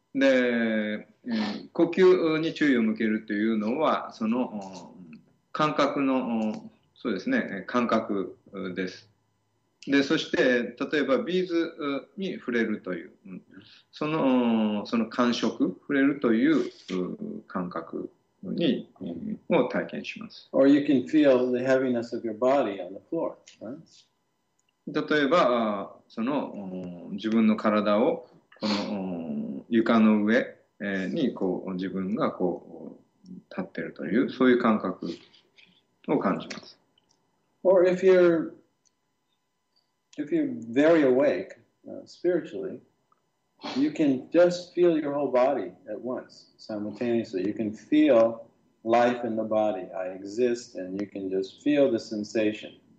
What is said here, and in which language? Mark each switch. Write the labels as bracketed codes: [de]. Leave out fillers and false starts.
[ja] で、呼吸に注意を向けるというのはその感覚のそうですね感覚です。でそして例えばビーズに触れるというその感触触れるという感覚にを体験します。 [en] Or you can feel the heaviness of your body on the floor, right? [ja] 例えばその自分の体をこの床の上にこう自分がこう立っているというそういう感覚を感じます。 [en] Or if you'reIf you're very awake, spiritually, you can just feel your whole body at once, simultaneously. You can feel life in the body. I exist, and you can just feel the sensation.